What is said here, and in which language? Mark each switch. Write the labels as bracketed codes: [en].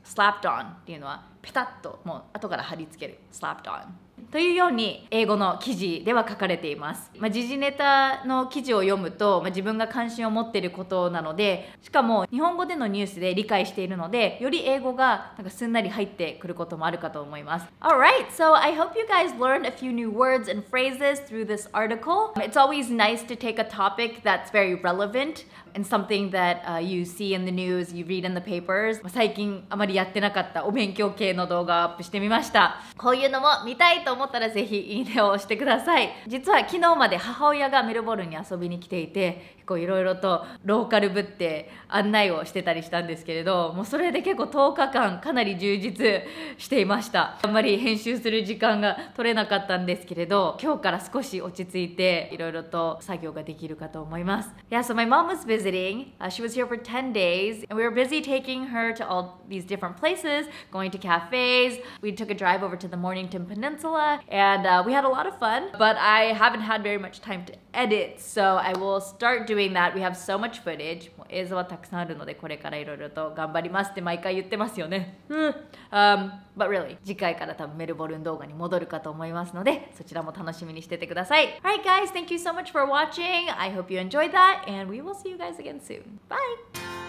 [en] Slapped on [ja] っていうのはペタッともう後から貼り付ける Slapped on というように英語の記事では書かれています、まあ、時事ネタの記事を読むと、まあ、自分が関心を持っていることなのでしかも日本語でのニュースで理解しているのでより英語がなんかすんなり入ってくることもあるかと思います [en] Alright, so I hope you guys learned a few new words and phrases through this article It's always nice to take a topic that's very relevant and something that、you see in the news, you read in the papers [ja] 最近あまりやってなかったお勉強系の動画をアップしてみましたこういうのも見たいと思ったらぜひいいねをしてください実は昨日まで母親がメルボルンに遊びに来ていていろいろとローカルぶって案内をしてたりしたんですけれどもうそれで結構10日間かなり充実していましたあんまり編集する時間が取れなかったんですけれど今日から少し落ち着いていろいろと作業ができるかと思います [en] Yeah, so my mom was visiting. She was here for 10 days. And we were busy taking her to all these different places, going to cafes. We took a drive over to the Mornington Peninsula. And、we had a lot of fun. But I haven't had very much time to edit. So I will startdoing that. We have so much footage. [ja] もう映像はたくさんあるのでこれからいろいろと頑張りますって毎回言ってますよね。 [en] But really, [ja] 次回から多分メルボルン動画に戻るかと思いますのでそちらも楽しみにしててください。 [en] Alright guys, thank you so much for watching. I hope you enjoyed that and we will see you guys again soon. Bye!